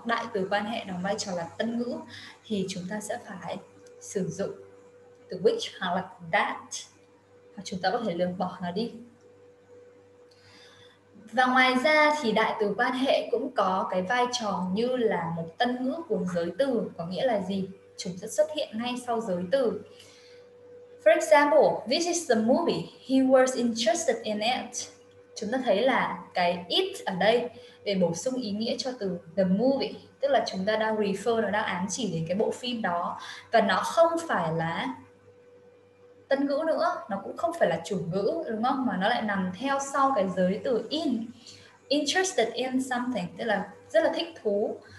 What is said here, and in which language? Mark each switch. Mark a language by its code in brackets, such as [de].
[vi] Đại từ quan hệ đóng vai trò là tân ngữ thì chúng ta sẽ phải sử dụng từ which hoặc là that, hoặc chúng ta có thể lược bỏ nó đi. Và ngoài ra thì đại từ quan hệ cũng có cái vai trò như là một tân ngữ của giới từ, có nghĩa là gì? Chúng sẽ xuất hiện ngay sau giới từ. [en] For example, this is the movie he was interested in it. [vi] Chúng ta thấy là cái it ở đây để bổ sung ý nghĩa cho từ the movie, tức là chúng ta đang refer, nó đang ám chỉ đến cái bộ phim đó, và nó không phải là tân ngữ nữa, nó cũng không phải là chủ ngữ, đúng không? Mà nó lại nằm theo sau cái giới từ in, [en] interested in something, [vi] tức là rất là thích thú.